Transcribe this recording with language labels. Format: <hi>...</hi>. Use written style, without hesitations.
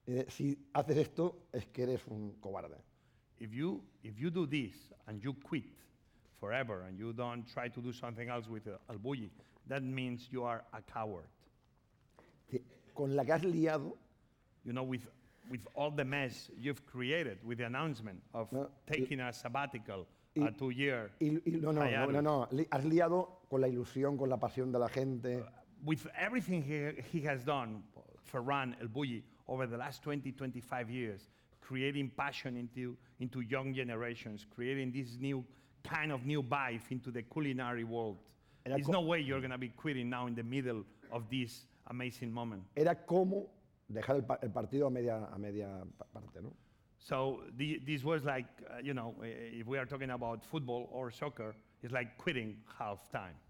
<es>Si haces esto, es que eres un cobarde.</es> <en>If you do this and you quit forever and you don't try to do something else with el bulli, that means you are a coward.</en> <es>Con la que has liado,</es> <en>you know, with all the mess you've created with the announcement of taking a sabbatical, a 2 year.</en> <es>No, has liado con la ilusión, con la pasión de la gente.</es> <en>With everything he has done, Ferran el bulli, over the last 20-25 years, creating passion into young generations, creating this new kind of new vibe into the culinary world. There's no way you're going to be quitting now in the middle of this amazing moment.</en> <es>Era como dejar el partido a media parte, ¿no?</es> <en>So this was like, you know, if we are talking about football or soccer, it's like quitting half time.</en>